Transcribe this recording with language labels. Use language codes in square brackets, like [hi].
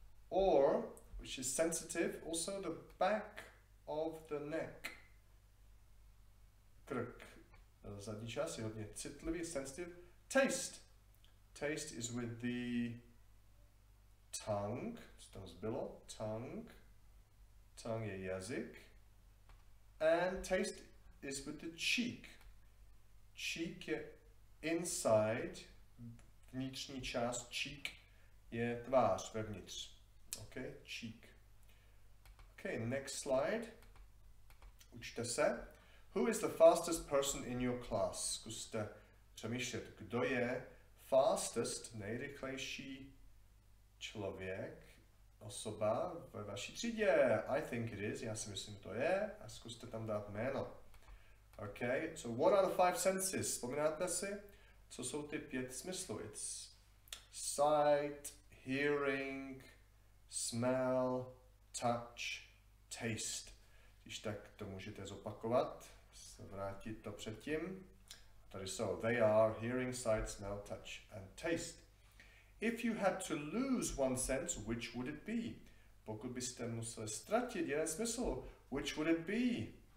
[en] Or, which is sensitive, also the back of the neck. Krk. [cs] zadní část je hodně citlivý, sensitive. [en] Taste. Taste is with the tongue. [cs] Co tam zbylo? [en] Tongue. Tongue je jazyk. And taste is with the cheek. Cheek je inside. [cs] Vnitřní část cheek je tvář vevnitř. [en] OK, cheek. OK, next slide. [cs] Učte se. [en] Who is the fastest person in your class? [cs] Zkuste přemýšlet, kdo je fastest, nejrychlejší člověk, osoba ve vaší třídě. [en] I think it is, [cs] já si myslím, to je. A zkuste tam dát jméno. [en] OK, so what are the five senses? [cs] Vzpomínáte si, co jsou ty pět smyslů? [en] It's sight, hearing, smell, touch, taste. [cs] Když tak to můžete zopakovat, vrátit to předtím. Tady jsou, [en] they are hearing, sight, smell, touch and taste. If you had to lose one sense, which would it be? [cs] Pokud byste museli ztratit jeden smysl, [en] which would it be?